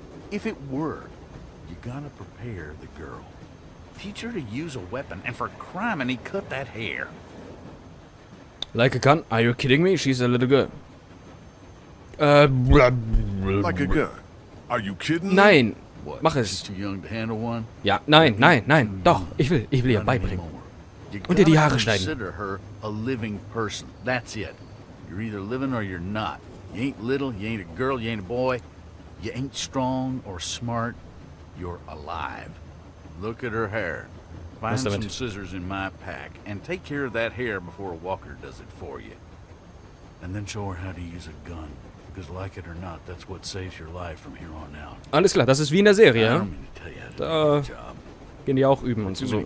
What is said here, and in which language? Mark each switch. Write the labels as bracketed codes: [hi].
[en] If it were, you gotta prepare the girl. Teach her to use a weapon, and for criminy, cut that hair. Like a gun? Are you kidding me? She's a little girl. Like a gun? Are you kidding me? [de] Nein. [en] What? [de] Mach es. [en] She's too young to handle one? [de] Ja, nein, nein, nein. Doch, ich will ihr beibringen. Und ihr die Haare schneiden. [en] You gotta consider her a living person. That's it. You're either living or you're not. You ain't little, you ain't a girl, you ain't a boy. You ain't strong or smart, you're alive. Look at her hair. Find some scissors in my pack and take care of that hair before a walker does it for you. And then show her how to use a gun. Because like it or not, that's what saves your life from here on out. [de] Alles klar, das ist wie in der Serie. Da gehen die auch üben und so.